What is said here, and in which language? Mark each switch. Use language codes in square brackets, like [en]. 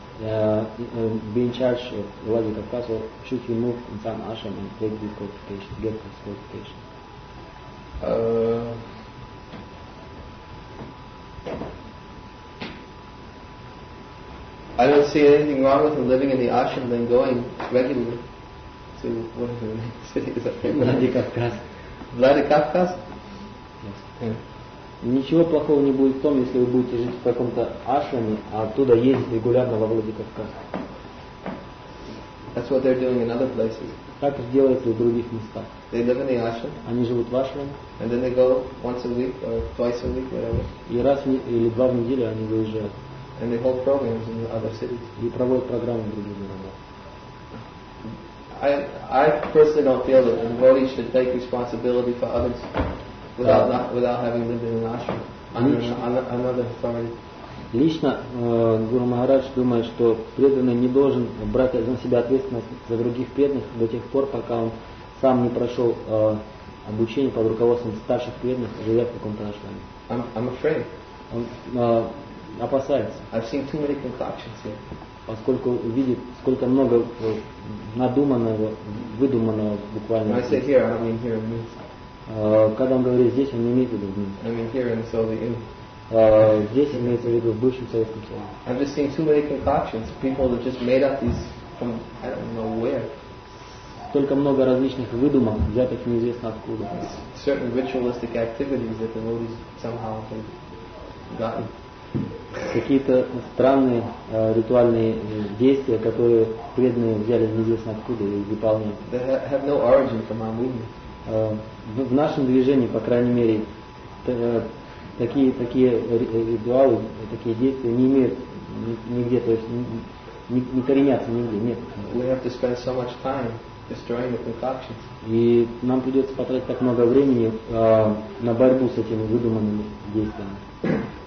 [en] Be in charge of the logic of class, or should he move in some ashram and take this qualification, get this qualification? I don't see anything wrong with him living in the ashram and then going regularly to whatever the name city is. Vladikavkaz. Vladikavkaz? Yes. [ru] Ничего плохого не будет в том, если вы будете жить в каком-то ашраме, а оттуда ездить регулярно во Владикавказ. [en] That's what they're doing in other places. [ru] Так делается и в других местах. [en] They live in the ashram. [ru] Они живут в ашраме. [en] And then they go once a week or twice a week, whatever. [ru] И раз или два в неделю они выезжают. [en] And they hold programs in the other cities. [ru] И проводят программы в других городах. [en] I personally don't feel that a devotee should take responsibility for others without having lived in an ashram. [ru] Лично Гуру Махарадж думает, что преданный не должен брать на себя ответственность за других преданных до тех пор, пока он сам не прошел обучение под руководством старших преданных, живя в каком-то ашраме. [en] I'm afraid. [ru] Он опасается. [en] I've seen too many concoctions here. [ru] Поскольку видит, сколько много надуманного, выдуманного буквально. [en] When I say here, I mean here in Minsk. [ru] Когда он говорит здесь, он не имеет в виду в Минске. [en] I mean here in the Soviet Union. [ru] Здесь имеется в виду в бывшем Советском Союзе. [en] I've just seen too many concoctions. People have just made up these from I don't know where. [ru] Столько много различных выдумок, взятых неизвестно откуда. [en] Certain ritualistic activities that the devotees somehow have gotten. [ru] Какие-то странные ритуальные действия, которые преданные взяли неизвестно откуда и выполняют. [en] They have no origin from our movement. [ru] В нашем движении, по крайней мере, такие ритуалы, такие действия не имеют нигде, то есть не коренятся нигде, нет. [en] We have to spend so much time destroying the concoctions. [ru] И нам придется потратить так много времени на борьбу с этими выдуманными действиями.